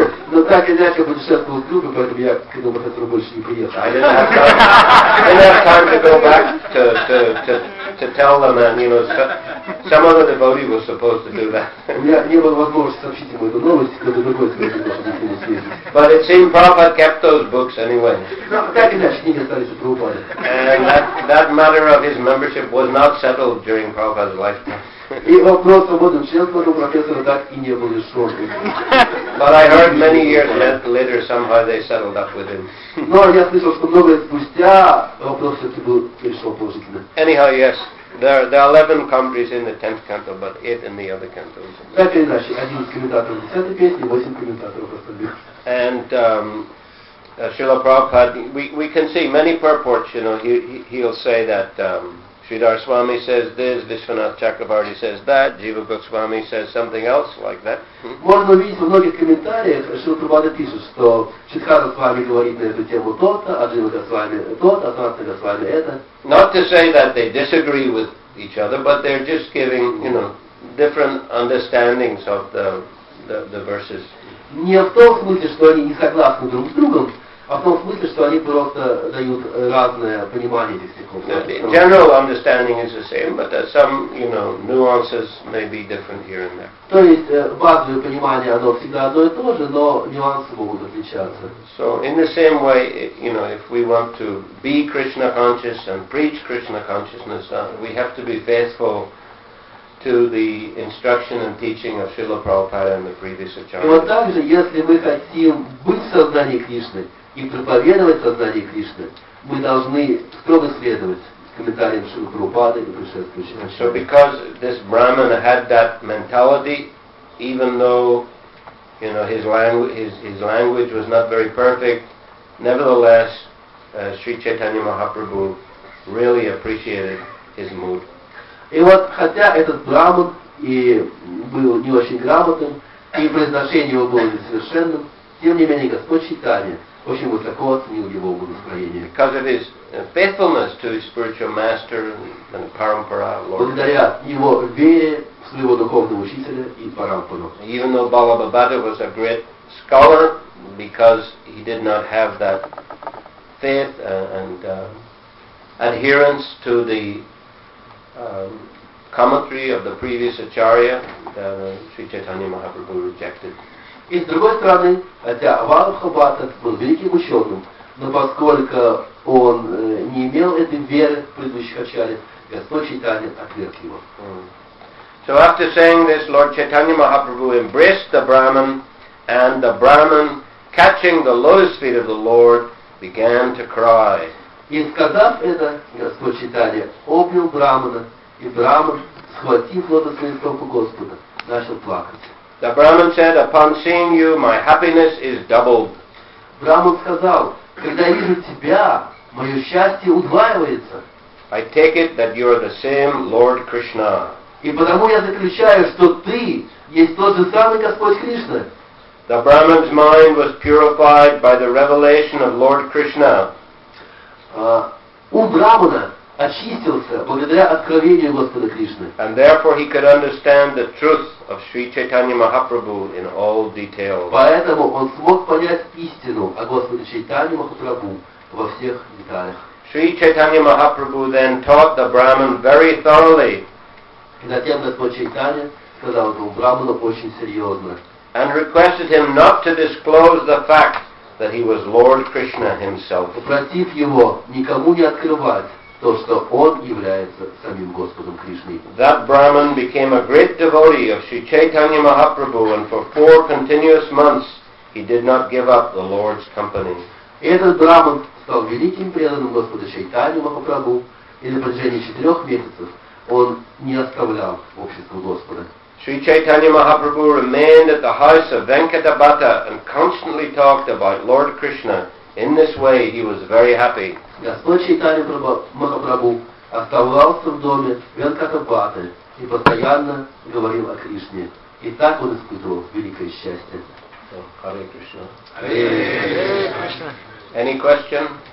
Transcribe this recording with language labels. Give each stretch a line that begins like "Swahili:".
Russian: Но так или иначе, я путешествовал с другом, поэтому я к этому профессору больше не приехал.
English: I didn't have time to go back to tell them that, some other devotee was supposed to do that.
Russian: У меня не было возможности сообщить ему эту новость, когда другой сказал, что не смогу съездить.
English: But it seemed Prabhupada kept those books anyway.
Russian: Но так или иначе, книги остались у Прабхупады.
English: And that matter of his membership was not settled during Prabhupada's lifetime.
Russian: И вопрос о будущем членстве у профессора так и не был решен.
English: But I heard many years later somehow they settled up with him.
Russian: Но я слышал, что много лет спустя вопрос все-таки был решен положительно.
English: Anyhow, yes, there are 11 commentaries in the 10th canto, but 8 in the other cantos.
Russian: Так или иначе, 11 комментаторов в 10-й песне, 8 комментаторов остальных.
English: And Srila Prabhupada, we can see many purports, he'll say that Sridhar Swami says this, Vishwanath Chakrabarty says that, Jiva Goswami says something else like that.
Russian: Можно увидеть во многих комментариях, Шрила Прабхупада пишет, что Шридхара Свами говорит на эту тему то-то, а Джива Госвами то-то, а Санатана Госвами это.
English: Not to say that they disagree with each other, but they're just giving, different understandings of the verses.
Russian: Не в том смысле, что они не согласны друг с другом, А в том смысле, что они просто дают разное понимание этих стихов.
English: The general understanding is the same, but some, you know, nuances may be different here and there.
Russian: То есть базовое понимание оно всегда одно и то же, но нюансы могут отличаться.
English: So in the same way, you know, if we want to be Krishna conscious and preach Krishna consciousness, we have to be faithful to the instruction and teaching of Srila Prabhupada and the previous acharyas.
Russian: Вот так же, если мы хотим быть в сознании Кришны и проповедовать сознание Кришны, мы должны строго следовать комментариям Шрилы Прабхупады и предшествующим acharyas.
English: So because this Brahman had that mentality, even though, you know, his language was not very perfect, nevertheless, Sri Chaitanya Mahaprabhu really appreciated his mood.
Russian: И вот, хотя этот браман и был не очень грамотным, и произношение его было несовершенным, тем не менее Господь Чайтанья очень высоко оценил его благосостояние.
English: Because of his faithfulness to his spiritual master and parampara, Lord.
Russian: Благодаря его вере в своего духовного учителя и парампару.
English: Even though Balabhadra was a great scholar, because he did not have that faith and adherence to the commentary of the previous acharya that Sri Chaitanya Mahaprabhu rejected.
Russian: И с другой стороны, хотя Валабхабхата был великим ученым, но поскольку он не имел этой веры в предыдущих ачарьях, Господь Чайтанья отверг его.
English: So after saying this, Lord Chaitanya Mahaprabhu embraced the Brahman, and the Brahman, catching the lotus feet of the Lord, began to cry.
Russian: И сказав это, Господь Чайтанья обнял Брахмана, и Брахман, схватив лотосные стопы Господа, начал плакать.
English: The Brahman said, upon seeing you, my happiness is doubled.
Russian: Брахман сказал, когда вижу тебя, мое счастье удваивается.
English: I take it that you are the same Lord Krishna.
Russian: И потому я заключаю, что ты есть тот же самый Господь Кришна.
English: The Brahman's mind was purified by the revelation of Lord Krishna.
Russian: Ум Брахмана очистился благодаря откровению Господа Кришны.
English: And therefore he could understand the truth of Sri Chaitanya Mahaprabhu in all details.
Russian: Поэтому он смог понять истину о Господе Чайтанье Махапрабху во всех деталях.
English: Sri Chaitanya Mahaprabhu then taught the Brahman very thoroughly.
Russian: И затем Господь Чайтанья сказал этому Брахману очень серьезно.
English: And requested him not to disclose the fact that he was Lord Krishna himself.
Russian: Попросив его никому не открывать то, что он является самим Господом Кришной.
English: That Brahman became a great devotee of Sri Chaitanya Mahaprabhu, and for four continuous months he did not give up the Lord's company.
Russian: Этот Брахман стал великим преданным Господа Чайтанья Махапрабху, и на протяжении 4 месяцев он не оставлял общества Господа.
English: Sri Chaitanya Mahaprabhu remained at the house of Venkatabhata and constantly talked about Lord Krishna. In this way, he was very happy.
Russian: Господь Чайтанья Махапрабху оставался в доме Венкатабхаты и постоянно говорил о Кришне. И так он испытывал великое счастье.
Sanskrit: Hare Krishna. Hare Krishna.
English: Any question?